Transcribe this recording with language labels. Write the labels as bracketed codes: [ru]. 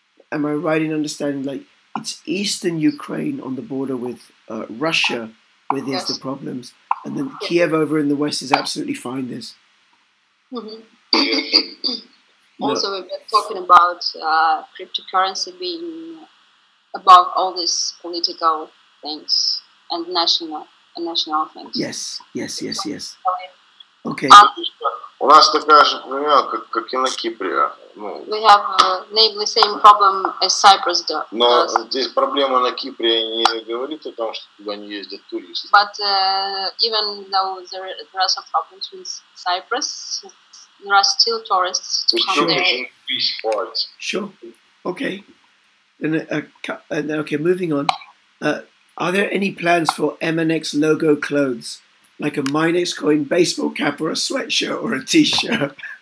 [en] Am I right in understanding, like, it's Eastern Ukraine on the border with Russia where there's the problems, and then Kiev over in the West is absolutely fine, there's... Also, we were talking about cryptocurrency being above all these political things and national things. Yes. Okay. [ru] У нас такая же проблема, как и на Кипре. [en] We have namely same problem as Cyprus does. [ru] Но здесь проблема на Кипре не говорит о том, что туда не ездят туристы. [en] But even though there are some problems with Cyprus, there are still tourists to come there. Sure. Okay. Then, moving on. Are there any plans for MNX logo clothes, like a Minexcoin baseball cap or a sweatshirt or a t-shirt?